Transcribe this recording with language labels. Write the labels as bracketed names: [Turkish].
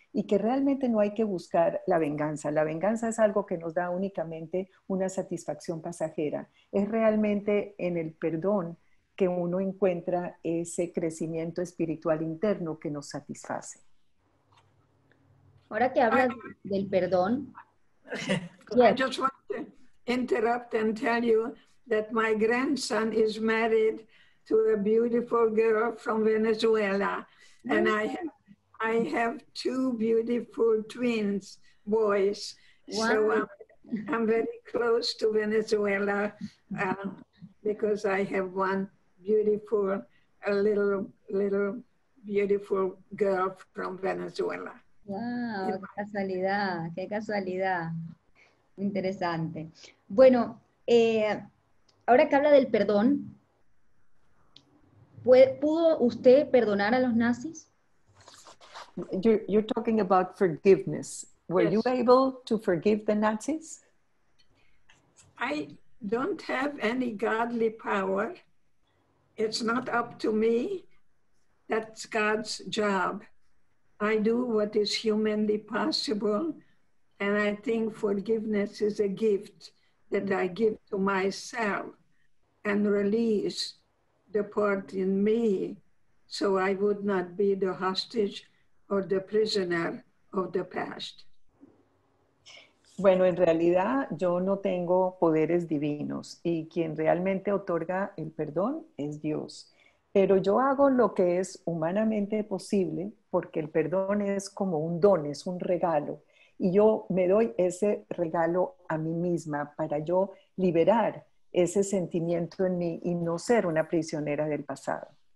[Spanish] y que realmente no hay que buscar la venganza. La venganza es algo que nos da únicamente una satisfacción pasajera. Es realmente en el perdón que uno encuentra ese crecimiento espiritual interno que nos satisface. Ahora que hablas del perdón. [English] I just want to interrupt and tell you that my grandson is married to a beautiful girl from Venezuela. And I have two beautiful twins, boys. Wow. So I'm very close to Venezuela because I have one beautiful, a little beautiful girl from Venezuela. [Spanish] Wow, qué casualidad. Interesante. Bueno, ahora que habla del perdón, ¿pudo usted perdonar a los nazis? [English] You're talking about forgiveness. Were yes. you able to forgive the Nazis? I don't have any godly power. It's not up to me. That's God's job. I do what is humanly possible, and I think forgiveness is a gift that I give to myself and release the part in me so I would not be the hostage or the prisoner of the past. [Spanish] Bueno, en realidad yo no tengo poderes divinos y quien realmente otorga el perdón es Dios. Pero yo hago lo que es humanamente posible porque el perdón es como un don, es un regalo. Y yo me doy ese regalo a mí misma para yo liberar ese sentimiento en mí y no ser una prisionera del pasado.